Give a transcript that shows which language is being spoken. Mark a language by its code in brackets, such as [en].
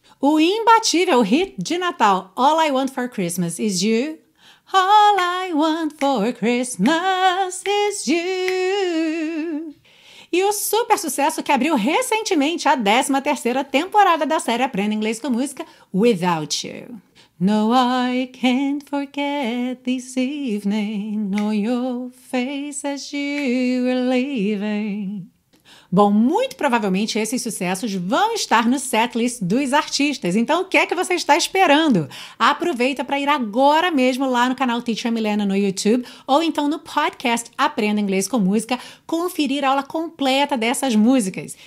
[pt] O imbatível hit de Natal, All I Want for Christmas Is You. [en] All I Want for Christmas Is You. [pt] E o super sucesso que abriu recentemente a 13ª temporada da série Aprenda Inglês com Música, Without You. [en] No, I can't forget this evening, nor your face as you were leaving. [pt] Bom, muito provavelmente esses sucessos vão estar no setlist dos artistas. Então, o que é que você está esperando? Aproveita para ir agora mesmo lá no canal Teacher Milena no YouTube ou então no podcast Aprenda Inglês com Música, conferir a aula completa dessas músicas.